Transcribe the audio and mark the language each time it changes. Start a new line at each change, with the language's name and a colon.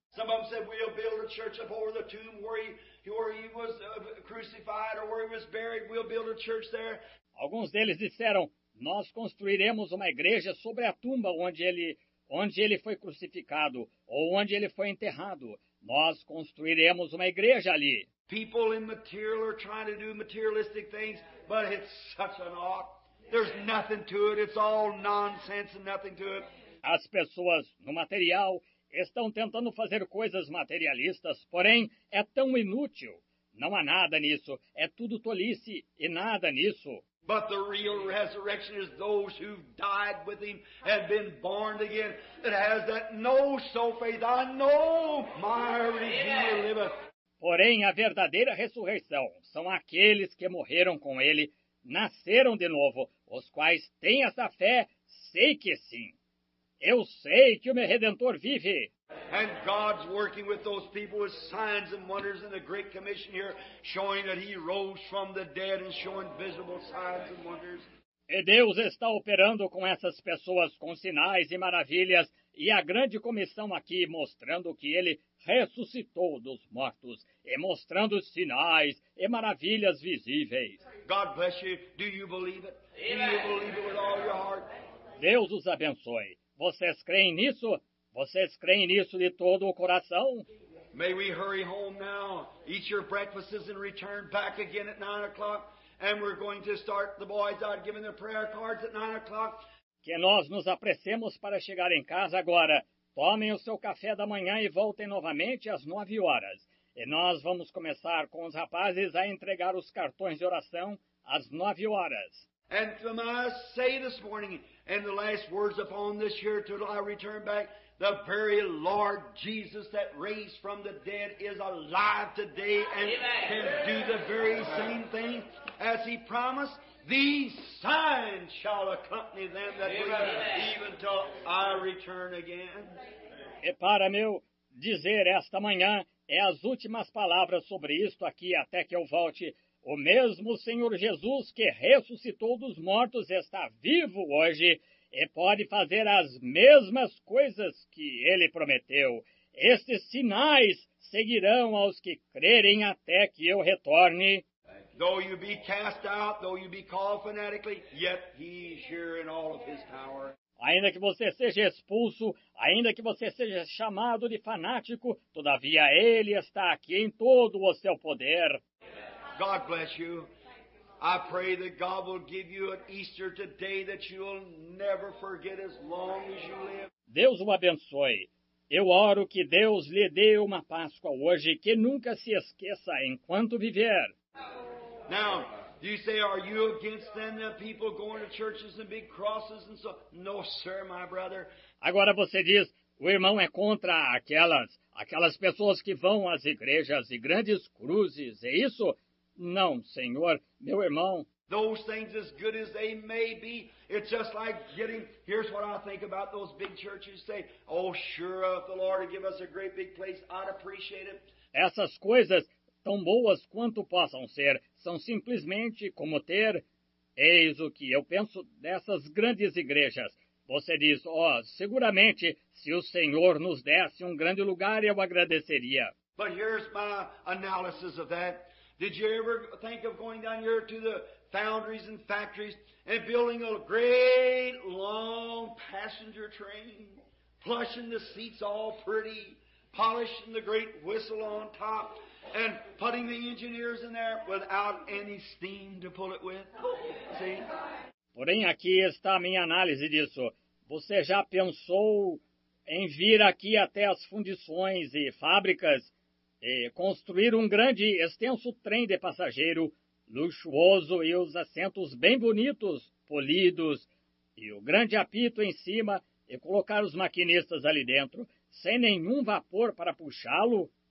English: Some of them said we'll build a church up over the tomb where he was crucified or where he was buried. We'll build a church there.
Portuguese: Alguns deles disseram, nós construiremos uma igreja sobre a tumba onde ele foi crucificado ou onde ele foi enterrado. Nós construiremos uma igreja ali.
English: People in material are trying to do materialistic things, but it's such an art. There's nothing to it. It's all nonsense and nothing to it.
Portuguese: As pessoas no material estão tentando fazer coisas materialistas, porém é tão inútil. Não há nada nisso. É tudo tolice e nada nisso.
English: But the real resurrection is those who've died with him and been born again. It has that know so faith. I know my Redeemer liveth.
Portuguese: Porém, a verdadeira ressurreição são aqueles que morreram com ele, nasceram de novo, os quais têm essa fé, sei que sim. Eu sei que o meu Redentor vive.
English: And God's working with those people with signs and wonders in the Great Commission here, showing that he rose from the dead and showing visible signs and wonders.
Portuguese: E Deus está operando com essas pessoas com sinais e maravilhas e a Grande Comissão aqui mostrando que ele ressuscitou dos mortos e mostrando sinais e maravilhas visíveis.
English: God bless you. Do you believe it? Amen. Do you believe it with all your heart?
Portuguese: Deus os abençoe. Vocês creem nisso? Vocês creem nisso de todo o coração?
English: May we hurry home now, eat your breakfasts and return back again at 9 o'clock, and we're going to start the boys out giving their prayer cards at 9 o'clock.
Portuguese: Que nós nos apressemos para chegar em casa agora, Tomem o seu café da manhã e voltem novamente às 9 horas. E nós vamos começar com os rapazes a entregar os cartões de oração às 9 horas.
English: And I must say this morning, and the last words upon this year till I return back, the very Lord Jesus that raised from the dead is alive today and can do the very same thing as he promised. These signs shall accompany them that believe, even till I return again.
Portuguese: E para meu dizer esta manhã, é as últimas palavras sobre isto aqui até que eu volte. O mesmo Senhor Jesus que ressuscitou dos mortos está vivo hoje e pode fazer as mesmas coisas que ele prometeu. Estes sinais seguirão aos que crerem até que eu retorne.
English: Though you be cast out, though you be called fanatically, yet he is here in all of his power.
Portuguese: Ainda que você seja expulso, ainda que você seja chamado de fanático, todavia ele está aqui em todo o seu poder.
English: God bless you. I pray that God will give you an Easter today that you will never forget as long as you live.
Portuguese: Deus o abençoe. Eu oro que Deus lhe dê uma Páscoa hoje que nunca se esqueça enquanto viver.
English: Now, you say, are you against them, the people going to churches and big crosses and so? No, sir, my brother.
Portuguese: Agora você diz, o irmão é contra aquelas pessoas que vão às igrejas e grandes cruzes, é isso? Não, senhor, meu irmão.
English: Those things, as good as they may be, it's just like getting, here's what I think about those big churches, say, oh, sure, if the Lord would give us a great big place, I'd appreciate it.
Portuguese: Essas coisas, tão boas quanto possam ser, são simplesmente como ter. Eis o que eu penso dessas grandes igrejas. Você diz, ó, seguramente, se o Senhor nos desse um grande lugar, eu agradeceria.
English: But here's my analysis of that. Did you ever think of going down here to the foundries and factories and building a great long passenger train, plushing the seats all pretty, polishing the great whistle on top, and putting the engineers in there without any steam to pull it with? See?
Portuguese: Porém, aqui está a minha análise disso. Você já pensou em vir aqui até as fundições e fábricas e construir um grande, extenso trem de passageiro, luxuoso e os assentos bem bonitos, polidos, e o grande apito em cima, e colocar os maquinistas ali dentro, sem nenhum vapor para puxá-lo?